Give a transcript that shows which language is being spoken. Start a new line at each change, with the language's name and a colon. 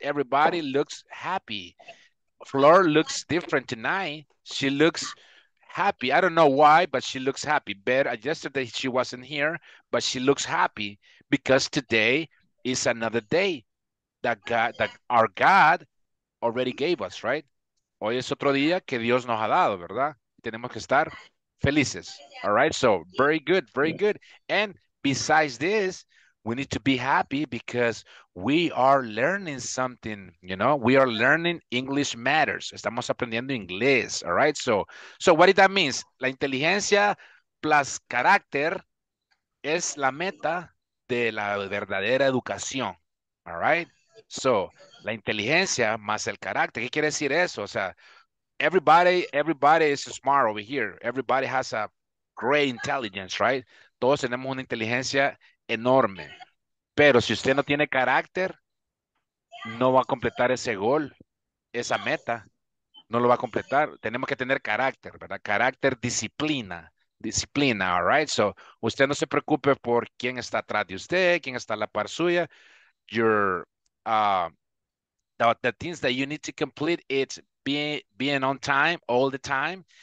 English: Everybody looks happy. Flor looks different tonight. She looks happy. I don't know why, but she looks happy. Bet yesterday she wasn't here, but she looks happy because today is another day that God, that our God already gave us, right?
Spanish: Hoy es otro día que Dios nos ha dado, ¿verdad? Tenemos que estar felices.
English: All right, so very good, very good. And besides this, we need to be happy because we are learning something, you know? We are learning English matters.
Spanish: Estamos aprendiendo inglés,
English: all right? So what does that mean?
Spanish: La inteligencia plus carácter es la meta de la verdadera educación, all right? So, la inteligencia más el carácter. ¿Qué quiere decir eso?
English: O sea, everybody is smart over here. Everybody has a great intelligence, right?
Spanish: Todos tenemos una inteligencia enorme. Pero si usted no tiene carácter, no va a completar ese gol, esa meta. No lo va a completar. Tenemos que tener carácter, ¿verdad? Carácter, disciplina. Disciplina, all right? So, usted no se preocupe por quién está atrás de usted, quién está a la par suya.
English: The things that you need to complete, it's being on time, all the time.